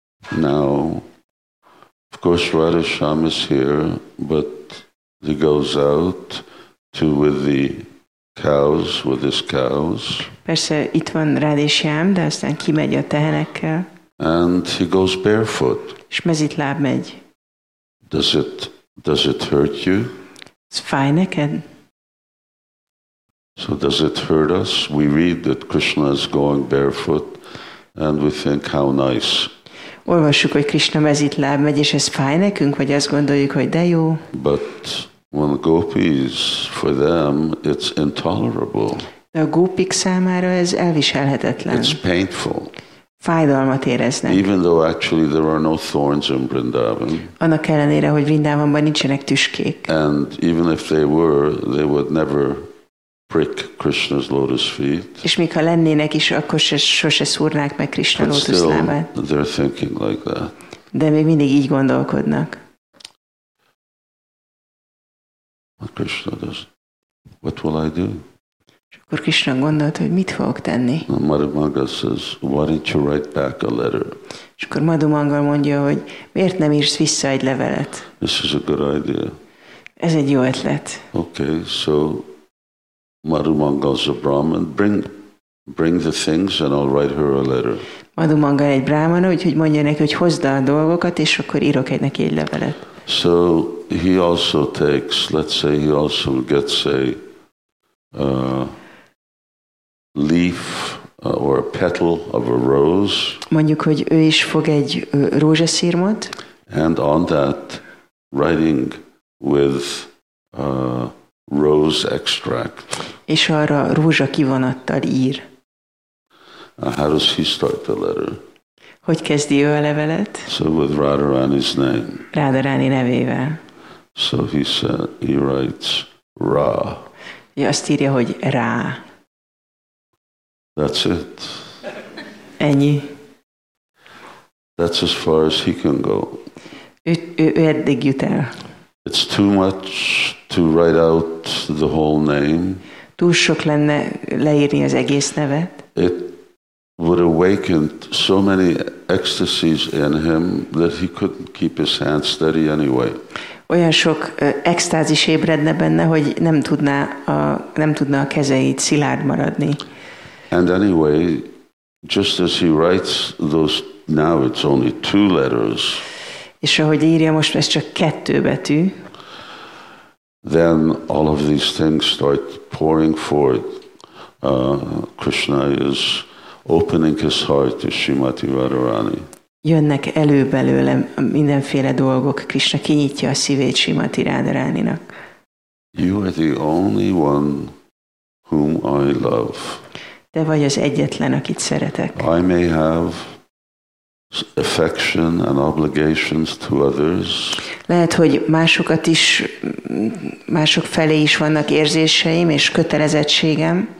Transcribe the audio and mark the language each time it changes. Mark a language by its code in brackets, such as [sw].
[en] Now, of course, Radha Shyam is here, but he goes out to with the cows, with his cows. [hu] Persze itt van Radha Shyam, de aztán kimegy a tehenekkel. [en] And he goes barefoot. [hu] És mezítláb megy. [en] Does it hurt you? It's fine, [hu] neked. [en] So does it hurt us? We read that Krishna is going barefoot, and we think how nice. [hu] Olvassuk, hogy Krishna mezítláb megy, és ez fáj nekünk, vagy azt gondoljuk, hogy de jó. [en] But when gopis, for them, it's intolerable. [hu] De a gópik számára ez elviselhetetlen. [en] It's painful. [hu] Fájdalmat éreznek. [en] Even though actually there are no thorns in Vrindavan. [hu] Annak ellenére, hogy Vrindavanban nincsenek tüskék. [en] And even if they were, they would never prick Krishna's lotus feet. [hu] És még ha lennének is, akkor sose szúrnák meg Krishna lótuszlábát. [en] They're thinking like that. [hu] De még mindig így gondolkodnak. [en] What Krishna does? What will I do? [hu] És akkor Krishna gondolt, hogy mit fogok tenni. [en] Madhumanga says, why didn't you write back a letter? [hu] És akkor Madhumanga mondja, hogy miért nem írsz vissza egy levelet? [en] This is a good idea. [hu] Ez egy jó ötlet. [en] Okay, so Madhumanga's a Brahman. Bring the things and I'll write her a letter. [hu] Madhumanga egy Brahman, úgyhogy mondja neki, hogy hozd a dolgokat, és akkor írok neki egy levelet. [en] So he also takes, let's say he also gets a leaf or a petal of a rose. [hu] Mondjuk, hogy ő is fog egy rózsaszirmot. [en] And on that writing with rose extract. [hu] És arra rózsa kivonattal ír. [en] How does he start the letter? [hu] Hogy kezdi ő a levelet? [en] So with Radharani's name. [hu] Radharani nevével. [en] So he said, he writes Ra. [hu] Ja, azt írja, hogy Rá. [en] That's it. [hu] Ennyi. [en] That's as far as he can go. [hu] Ő eddig jut el. [en] It's too much to write out the whole name. [hu] Túl sok lenne leírni az egész nevet. [en] It would awaken so many ecstasies in him that he couldn't keep his hand steady anyway. [hu] Olyan sok extázis ébredne benne, hogy nem tudna a kezeit szilárd maradni. [en] And anyway, just as he writes those, now it's only two letters. [hu] És ahogy írja, most ez csak kettő betű. [en] Then all of these things start pouring forth. Krishna is opening his heart to Srimati Radharani. [hu] Jönnek elő belőle mindenféle dolgok. Krishna kinyitja a szívét Srimati Radharaninak. [en] You are the only one whom I love. [hu] Te vagy az egyetlen, akit szeretek. [en] I may have affection and obligations to others. [hu] Lehet, hogy másokat is, mások felé is vannak érzéseim és kötelezettségem.